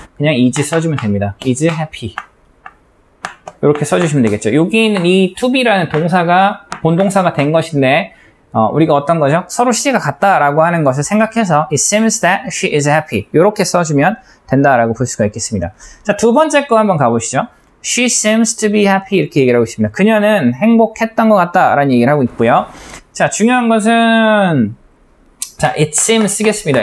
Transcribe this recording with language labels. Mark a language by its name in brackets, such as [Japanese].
[Korean] 그냥 is 써주면 됩니다. [English] is happy [Korean] 이렇게 써주시면 되겠죠. 여기 있는 이 to be라는 동사가 본동사가 된 것인데 우리가 어떤 거죠? 서로 시제가 같다라고 하는 것을 생각해서 [English] it seems that she is happy [Korean] 이렇게 써주면 된다라고 볼 수가 있겠습니다. 자, 두 번째 거 한번 가보시죠. [English] She seems to be happy [Korean] 이렇게 얘기를 하고 있습니다. 그녀는 행복했던 것 같다라는 얘기를 하고 있고요. 자, 중요한 것은 자, [English] it seems [Korean] 쓰겠습니다.